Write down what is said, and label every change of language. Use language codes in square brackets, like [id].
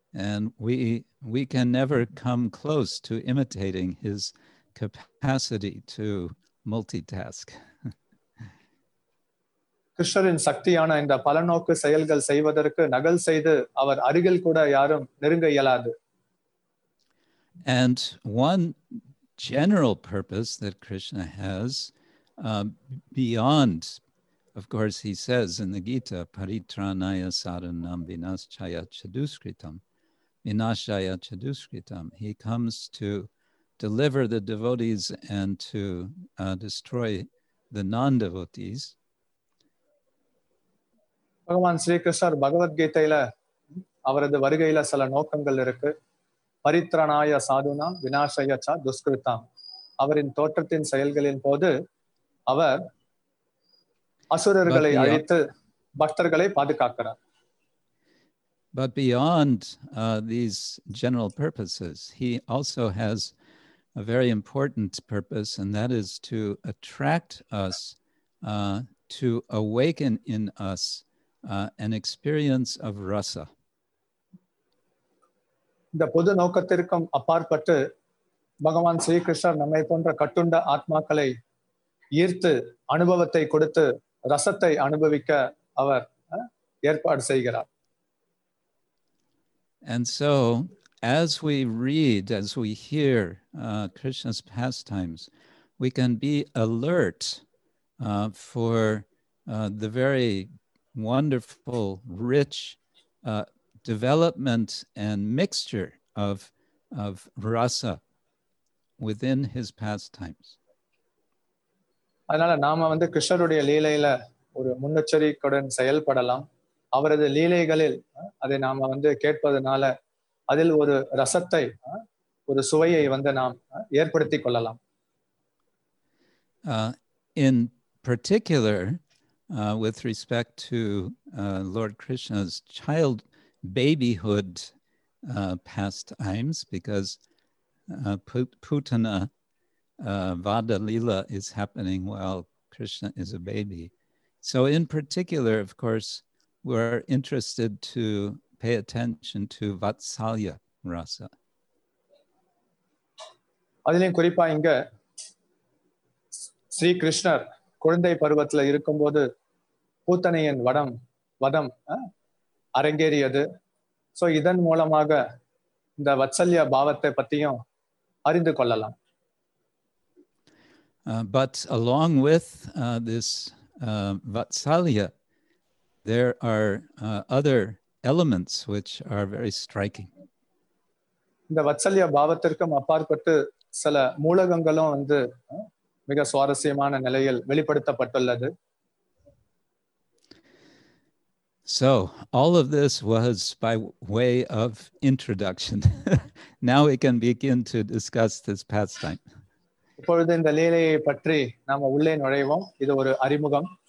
[en] And we can never come close to imitating his capacity to multitask. [ta] கிருஷ்ணரின் சக்தியான இந்த பலநோக்கு செயல்கள் செய்வதற்கு நகல் செய்து அவர் அருகில் கூட யாரும் நெருங்க இயலாது. [en] And one general purpose that Krishna has beyond, of course, he says in the Gita, [sa] paritranaya saranam vinashaya chaduskritam, [en] vinashaya chaduskritam. He comes to deliver the devotees and to destroy the non-devotees. [ta] பகவான் ஸ்ரீ கிருஷ்ணர் பகவத்கீதையில அவரது வருகையில சில நோக்கங்கள் இருக்கு. [sa] பரித்ரணாய சாதுனா விநாசய சா துஷ்கிருதம். [ta] அவரின் தோற்றத்தின் செயல்களின் போது அவர் அசுரர்களை அழித்து பக்தர்களை பாதுகாக்கிறார். [en] But beyond these general purposes, he also has a very important purpose, and that is to attract us, to awaken in us an experience of rasa. [ta] இந்த பொது நோக்கத்திற்கும் அப்பாற்பட்டு பகவான் ஸ்ரீ கிருஷ்ணர் நம்மை போன்ற கட்டுண்ட ஆத்மாக்களை ஈர்த்து அனுபவத்தை கொடுத்து ரசத்தை அனுபவிக்க அவர் ஏற்பாடு செய்கிறார். [en] And so, as we read, as we hear Krishna's pastimes, we can be alert for the very wonderful, rich development and mixture of rasa within his pastimes. [ta] அதனால நாம வந்து கிருஷ்ணருடைய லீலையில ஒரு முன்னெச்சரிக்கையுடன் செயல்படலாம். அவரது லீலைகளில் அதை நாம வந்து கேட்பதனால அதில் ஒரு ரசத்தை ஒரு சுவையை வந்து நாம் ஏற்படுத்தி கொள்ளலாம். [en] In particular, with respect to Lord Krishna's child babyhood pastimes, because Putana Vada Leela is happening while Krishna is a baby. So in particular, of course, we're interested to pay attention to Vatsalya Rasa. [ta] அதிலும் குறிப்பா இங்க ஸ்ரீ கிருஷ்ணர் குழந்தை பருவத்துல இருக்கும்போது பூத்தனையின் வதம் அரங்கேறியது. So இதன் மூலமாக இந்த வத்சல்ய பாவத்தை பத்தியும் அறிந்து கொள்ளலாம். [en] But along with this Vatsalya, there are other elements which are very striking. [ta] இந்த வத்சல்ய பாவத்திற்கும் அப்பாற்பட்டு சில மூலகங்களும் வந்து மிக சுவாரஸ்யமான நிலையில் வெளிப்படுத்தப்பட்டுள்ளது. [en] So all of this was by way of introduction. Now we can begin to discuss this pastime. [ta] இப்பொழுது இந்த லீலையை பற்றி நாம உள்ளே நுழைவோம். இது ஒரு அறிமுகம்.